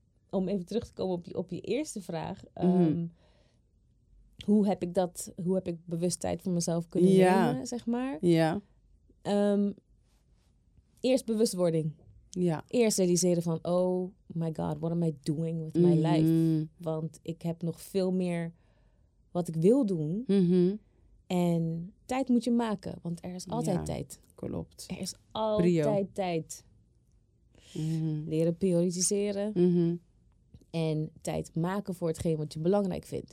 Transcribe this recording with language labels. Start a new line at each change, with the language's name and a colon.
Dutch: om even terug te komen op je eerste vraag. Hoe heb ik bewust tijd voor mezelf kunnen nemen, zeg maar? Ja. Eerst bewustwording. Ja. Eerst realiseren van,
English: oh my god, what am I doing with my life?
Dutch: Want ik heb nog veel meer wat ik wil doen. Mm-hmm. En tijd moet je maken, want er is altijd tijd. Klopt. Er is altijd tijd. Mm-hmm. Leren prioritiseren. Mm-hmm. En tijd maken voor hetgeen wat je belangrijk vindt.